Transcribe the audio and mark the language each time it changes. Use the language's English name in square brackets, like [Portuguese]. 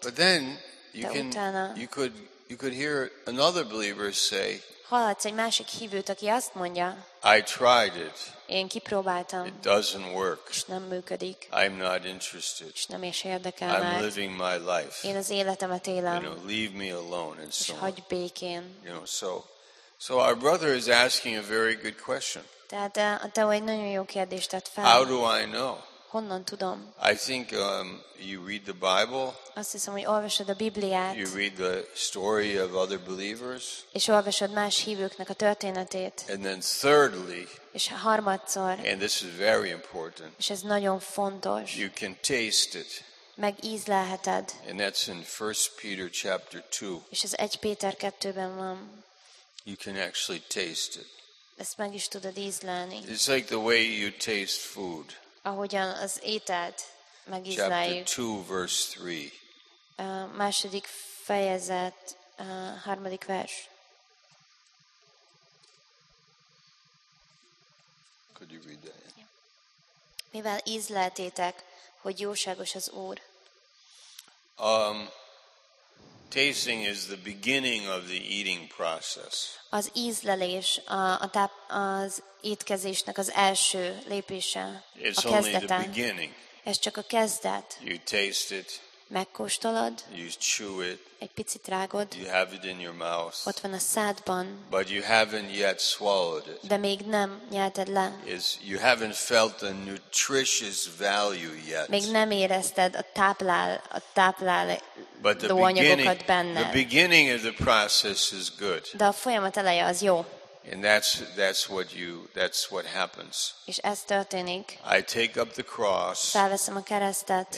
[English] But then you could hear another believer say. [Hungarian] Hallhatsz egy másik hívőt, aki azt mondja. [English] I tried it. [Hungarian] Én kipróbáltam. [English] It doesn't work. [Hungarian] És nem működik. [English] I'm not interested. [Hungarian] És nem is érdekel. [English] I'm living my life. [Hungarian] Én az életemet élem. [English] You know, leave me alone and so. [Hungarian] És hagyj békén. [English] You know, so our brother is asking a very good question. [Hungarian] Tehát a teó egy nagyon jó kérdést tett fel. [English] How do I know? [Hungarian] Honnan tudom? [English] I think you read the Bible. [Hungarian] Azt hiszem, hogy olvasod a Bibliát. [English] You read the story of other believers. [Hungarian] És olvasod más hívőknek a történetét. [English] And then thirdly. [Hungarian] És harmadszor. [English] And this is very important. [Hungarian] És ez nagyon fontos. [English] You can taste it. [Hungarian] Megízlelheted. [English] And that's in 1 Peter chapter 2. [Hungarian] És ez 1 Péter 2-ben van. [English] You can actually taste it. [Hungarian] Ezt meg is tudod ízlelni. [English] It's like the way you taste food. [Hungarian] Ahogyan az ételt megízleljük. [English] Chapter 2, verse 3. [Hungarian] Második fejezet, harmadik vers. [English] Could you read that? [Hungarian] Mivel ízleltétek, hogy jóságos az Úr. [English] Tasting is the beginning of the eating process. [Hungarian] Az ízlelés az étkezésnek az első lépése. [English] It's only the beginning. [Hungarian] Ez csak a kezdet. [English] You taste it. [Hungarian] Megkóstolod. [English] You chew it. [Hungarian] Egy picit rágod. [English] You have it in your mouth. [Hungarian] Ott van a szádban. [English] But you haven't yet swallowed it. [Hungarian] De még nem nyelted le. [English] Is you haven't felt the nutritious value yet. [Hungarian] Még nem érezted a táplálékot anyagokat benne. [English] The beginning of the process is good. [Hungarian] De a folyamat eleje az jó. [English] And that's what happens. [Hungarian] És ez történik. [English] I take up the cross. [Hungarian] Felveszem a keresztet.